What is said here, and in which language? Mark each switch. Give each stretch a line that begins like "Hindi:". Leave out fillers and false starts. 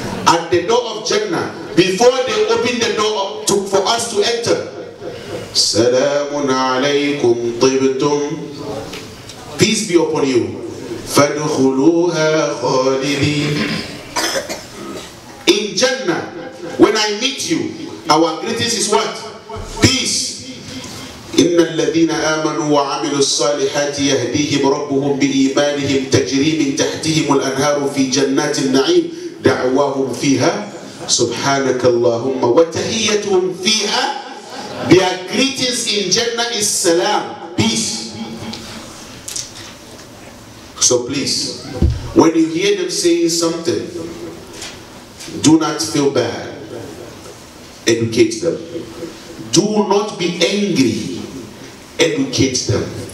English: At the door of Jannah, before they open the door for us to enter,
Arabic: Salamun alaykum tibtum,
English: peace be upon you.
Arabic: Fadkhuluha khalidin.
English: In Jannah, when I meet you, our greetings is what? Peace.
Arabic: إن الذين آمنوا وعملوا الصالحات يهديهم ربهم بإيمانهم تجري من تحتهم الأنهار في جنات النعيم دعواهم فيها سبحانك اللهم وتحيتهم فيها.
English: Their greetings in Jannah is salam, peace. So please, when you hear them saying something, do not feel bad. Educate them. Do not be angry. Educate them.